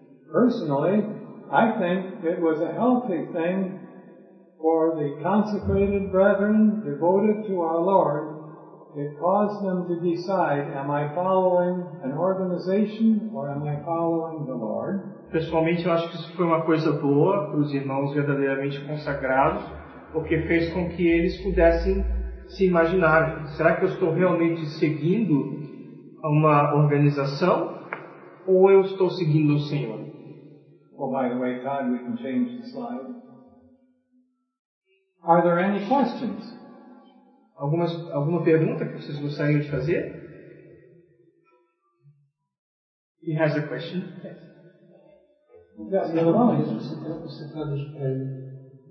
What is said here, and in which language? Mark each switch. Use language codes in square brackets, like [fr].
[en] Personally, I think it was a healthy thing for the consecrated brethren devoted to our Lord, it caused them to decide, am I following an organization or am I following the Lord? [pt] Pessoalmente, eu acho que isso foi uma coisa boa para os irmãos verdadeiramente consagrados, porque fez com que eles pudessem se imaginar, será que eu estou realmente seguindo uma organização ou eu estou seguindo o Senhor? [en] Oh, by the way, Todd, we can change the slide. Are there any questions? [pt] Alguma pergunta que vocês gostariam de fazer? [en] He has a question. [pt] Yes. Você está